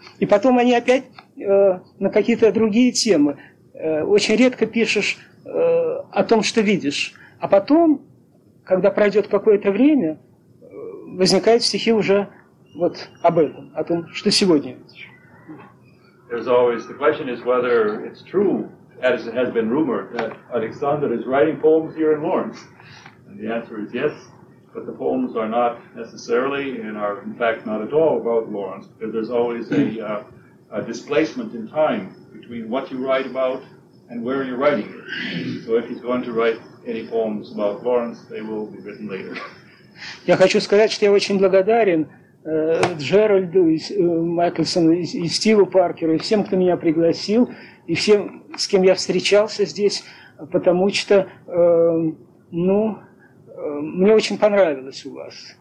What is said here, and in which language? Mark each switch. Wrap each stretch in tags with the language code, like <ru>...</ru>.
<ru>И потом они опять на какие-то другие темы. Очень редко пишешь о том, что видишь. А потом, когда пройдет какое-то время, возникают стихи уже вот об этом, о том, что сегодня.</ru> <en>There's always the question is whether it's true, as it has been rumored, that Alexander is writing poems here in Lawrence. And the answer is yes, but the poems are not necessarily, and are in fact not at all about Lawrence, because there's always a displacement in time between what you write about and where you're writing it. So if he's going to write any poems about Lawrence, they will be written later.</en> <ru>Я хочу сказать, что я очень благодарен Джеральду, Майкельсону, и Стиву Паркеру, и всем, кто меня пригласил, и всем, с кем я встречался здесь, потому что, мне очень понравилось у вас.</ru>